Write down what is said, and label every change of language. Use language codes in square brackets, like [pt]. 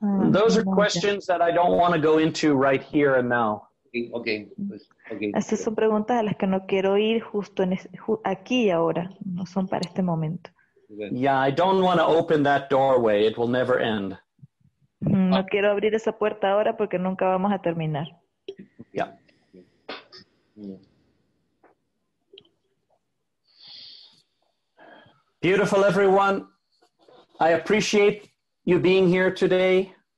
[en] Those are questions that I don't want to go into right here and now. Okay. [es] Estas son preguntas a las que no quiero ir justo aquí y ahora. No son para este momento. [en] Yeah, I don't want to open that doorway. It will never end. [es] No quiero abrir esa puerta ahora porque nunca vamos a terminar. [en] Yeah. Beautiful, everyone. I appreciate you being here today.